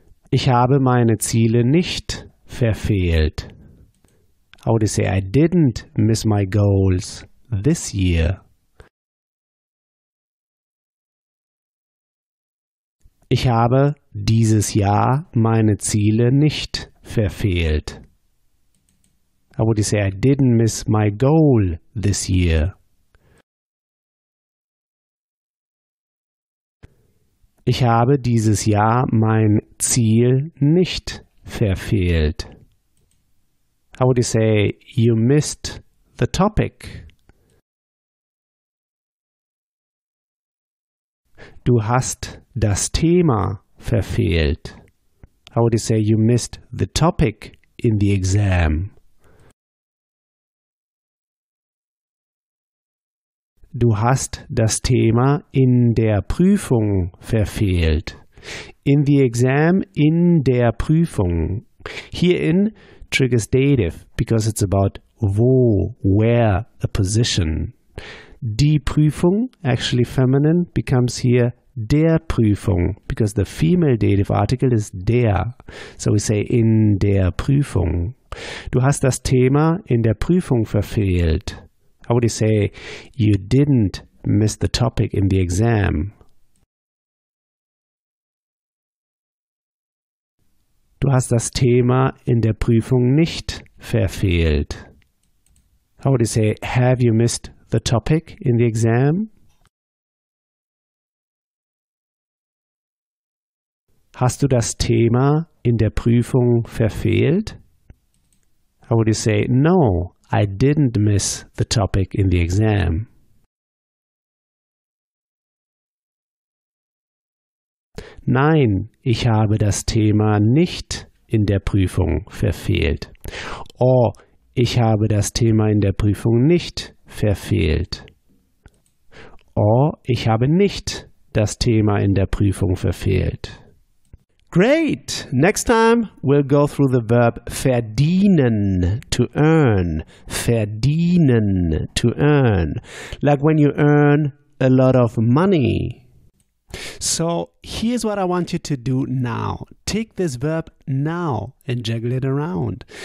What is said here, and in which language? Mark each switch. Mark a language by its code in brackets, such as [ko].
[de] Ich habe meine Ziele nicht verfehlt. [en] How would you say, I didn't miss my goals this year? [de] Ich habe dieses Jahr meine Ziele nicht verfehlt. [en] How would you say, I didn't miss my goal this year? [de] Ich habe dieses Jahr mein Ziel nicht verfehlt. [en] How would you say, you missed the topic? [de] Du hast das Thema verfehlt. [en] How would you say, you missed the topic in the exam? [de] Du hast das Thema in der Prüfung verfehlt. [en] In the exam, [de] in der Prüfung. [en] Herein triggers dative, because it's about wo, where, the position. Die Prüfung, actually feminine, becomes here der Prüfung, because the female dative article is der. So we say [de] in der Prüfung. Du hast das Thema in der Prüfung verfehlt. [en] How would you say, you didn't miss the topic in the exam? [de] Du hast das Thema in der Prüfung nicht verfehlt. [en] How would you say, have you missed the topic in the exam? [de] Hast du das Thema in der Prüfung verfehlt? [en] How would you say, no, I didn't miss the topic in the exam. [de] Nein, ich habe das Thema nicht in der Prüfung verfehlt. Oh, ich habe das Thema in der Prüfung nicht verfehlt. Oh, ich habe nicht das Thema in der Prüfung verfehlt. [en] Great! Next time we'll go through the verb verdienen, to earn. Verdienen, to earn. Like when you earn a lot of money. So here's what I want you to do now. Take this verb now and juggle it around.